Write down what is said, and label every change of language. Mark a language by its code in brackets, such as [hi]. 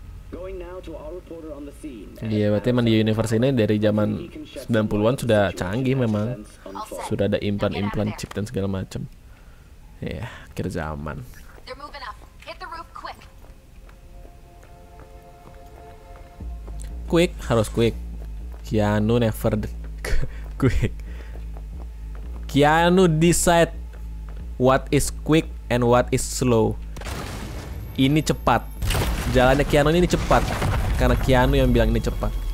[en] Going now to our reporter on the scene. [id] Iya, berarti emang di universe ini dari zaman 90-an sudah canggih memang. Sudah ada implan-implan chip dan segala macam. Ya, yeah, akhir zaman. [en] Hit the roof quick. quick, harus quick. Keanu never quick. Keanu decide what is quick and what is slow. [id] Ini cepat. Jalannya Keanu ini cepat karena Keanu yang bilang ini cepat.